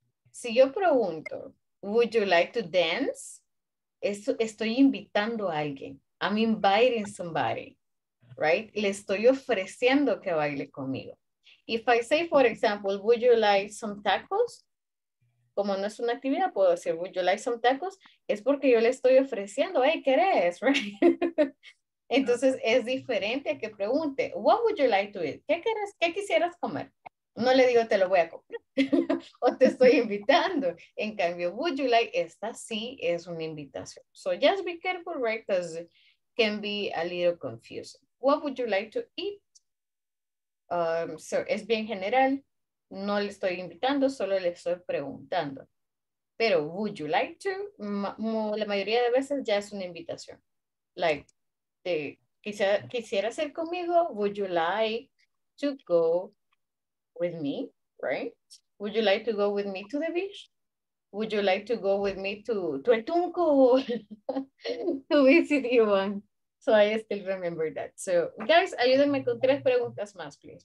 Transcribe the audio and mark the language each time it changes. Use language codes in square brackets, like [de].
[es] Si yo pregunto, [en] would you like to dance? [es] Estoy invitando a alguien. [en] I'm inviting somebody, right? [es] Le estoy ofreciendo que baile conmigo. [en] If I say, for example, would you like some tacos? [es] Como no es una actividad, puedo decir, [en] would you like some tacos? [es] Es porque yo le estoy ofreciendo, hey, ¿querés? Right? Entonces, es diferente a que pregunte, [en] what would you like to eat? [es] ¿Qué querés? ¿Qué quisieras comer? No le digo, te lo voy a comprar, o te estoy invitando. En cambio, [en] would you like, [es] esta sí es una invitación. [en] So just be careful, right, because it can be a little confusing. What would you like to eat? [es] So es bien general, no le estoy invitando, solo le estoy preguntando. Pero [en] would you like to, [es] la mayoría de veces ya es una invitación. [en] Like, [es] quisieras ir conmigo, [en] would you like to go with me, right? Would you like to go with me to the beach? Would you like to go with me to El Tunco? To visit you one. So I still remember that. So guys, [es] ayúdenme con tres preguntas más, please.